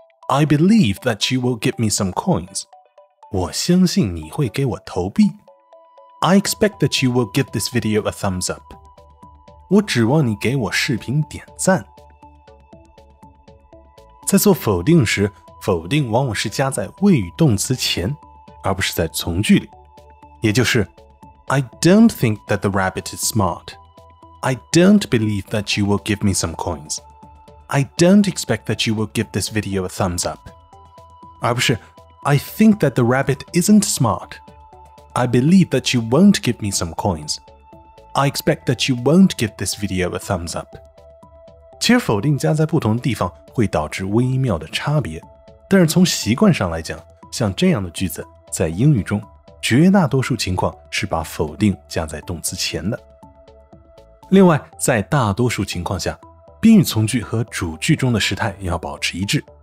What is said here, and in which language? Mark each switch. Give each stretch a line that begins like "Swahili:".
English: I believe that you will give me some coins.
Chinese: 我相信你会给我投币。
English: I expect that you will give this video a thumbs up.
Chinese: 我指望你给我视频点赞。在做否定时，否定往往是加在谓语动词前，而不是在从句里。也就是
English: I don't think that the rabbit is smart. I don't believe that you will give me some coins. I don't expect that you will give this video a thumbs up.
Chinese: 而不是
English: I think that the rabbit isn't smart. I believe that you won't give me some coins. I expect that you won't give this video a thumbs up.
Chinese: 其实否定加在不同的地方会导致微妙的差别，但是从习惯上来讲，像这样的句子在英语中绝大多数情况是把否定加在动词前的。另外，在大多数情况下，宾语从句和主句中的时态要保持一致。